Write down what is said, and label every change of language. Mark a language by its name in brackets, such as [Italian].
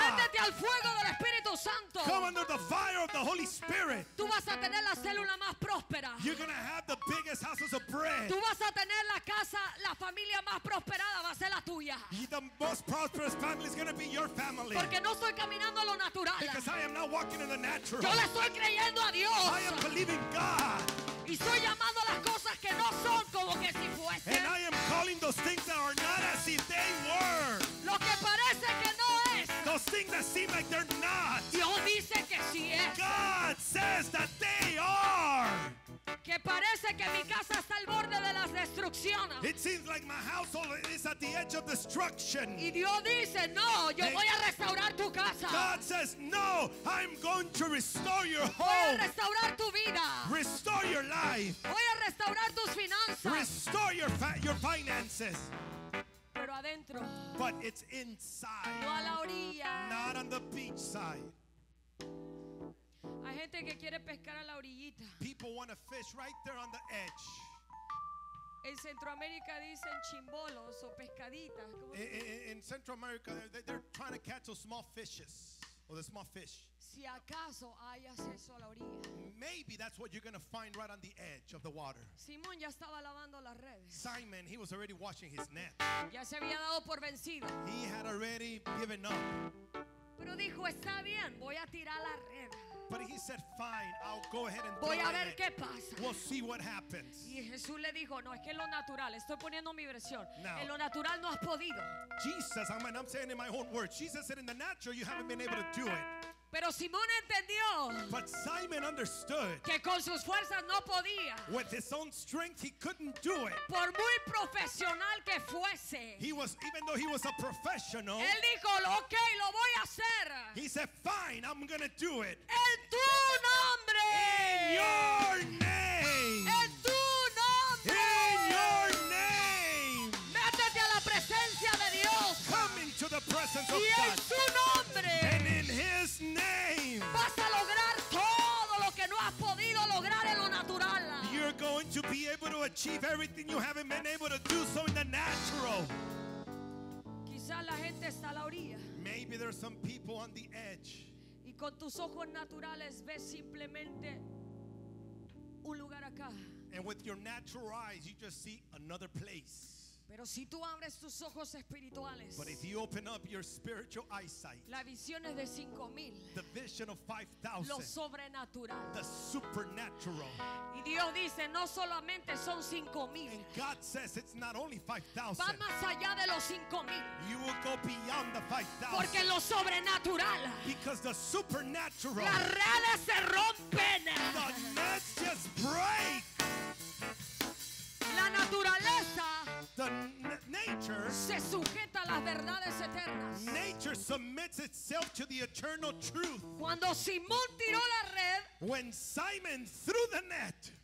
[Spanish] Métete al fuego del Espíritu Santo. [English] Come under the fire of the Holy Spirit. [Spanish] Tú vas a tener la célula más próspera. [English] You're gonna have the biggest houses of bread. [Spanish] Tú vas a tener la casa, la familia más prosperada va a ser la [English] The most prosperous family is going to be your family. [Spanish] Porque no estoy caminando lo natural. [English] Because I am not walking in the natural. [Spanish] Yo le estoy creyendo a Dios. [English] I am believing God. [Spanish] Y estoy llamando las cosas que no son como que si fuesen. [English] And I am calling those things that are not as if they were. [Spanish] Lo que parece que no es. [English] Those things that seem like they're not. [Spanish] Dios dice que sí es. [English] God says that they are. [Spanish] Que parece que mi casa está al borde de la destrucción. [English] It seems like my household is at the edge of destruction. [Spanish] Y Dios dice, no, yo voy a restaurar tu casa. [English] God says, no, I'm going to restore your home. [Spanish] Voy a restaurar tu vida. [English] Restore your life. [Spanish] Voy a restaurar tus finanzas. [English] Restore your finances. [Spanish] Pero adentro. [English] But it's inside. [Spanish] No a la orilla. [English] Not on the beach side. [Spanish] Hay gente que quiere pescar a la orillita. [English] People want to fish right there on the edge. [Spanish] En Centroamérica dicen chimbolos o pescaditas. [English] In Central America, they're trying to catch those small fishes or the small fish. [Spanish] Si acaso hay acceso a la orilla. [English] Maybe that's what you're going to find right on the edge of the water. [Spanish] Simón ya estaba lavando las redes. [English] Simon, he was already washing his net. [Spanish] Ya se había dado por vencido. [English] He had already given up. [Spanish] Pero dijo, está bien, voy a tirar la red. [English] But he said, fine, I'll go ahead and [Spanish] Voy [English] throw [Spanish] a ver [English] it. [Spanish] Qué pasa. [English] We'll see what happens. [Spanish] Y Jesús le dijo, no, es que en lo natural, estoy poniendo mi versión. Now, en lo natural no has podido. [English] Jesus, I'm saying in my own words, Jesus said in the natural you haven't been able to do it. [Spanish] Pero Simón entendió. [English] But Simon understood. [Spanish] Que con sus fuerzas no podía. [English] With his own strength he couldn't do it. [Spanish] Por muy profesional que fuese. [English] He was, even though he was a professional. [Spanish] Él dijo, okay, lo voy a hacer. [English] He said, fine, I'm gonna do it. [Spanish] En tu nombre. [English] In your name. [Spanish] En tu nombre. [English] In your name. [Spanish] Métete a la presencia de Dios. [English] Come into the presence of [Spanish] y [English] God. [Spanish] Y en tu nombre. [English] And in his name. [Spanish] Vas a lograr todo lo que no has podido lograr en lo natural. [English] You're going to be able to achieve everything you haven't been able to do so in the natural. [Spanish] Quizás la gente está a la orilla. [English] Maybe maybe there are some people on the edge. [Spanish] Y con tus ojos naturales ves simplemente un lugar acá. [English] And with your natural eyes, you just see another place. [Spanish] Pero si tú abres tus ojos espirituales, [English] but if you open up your spiritual eyesight, [Spanish] la visión es de 5,000, [English] the vision of 5,000, [Spanish] lo sobrenatural, [English] the supernatural. [Spanish] Y Dios dice, no solamente son 5,000, [English] and God says it's not only 5,000, [Spanish] va más allá de los 5,000, [English] you will go beyond the 5,000, [Spanish] porque lo sobrenatural, [English] because the supernatural, [Spanish] las redes se rompen, [English] the nets just break. [Spanish] La naturaleza, [English] the nature, [Spanish] se sujeta a las verdades eternas. [English] Nature submits itself to the eternal truth. [Spanish] Cuando Simón tiró la red, [English] when Simon threw the net,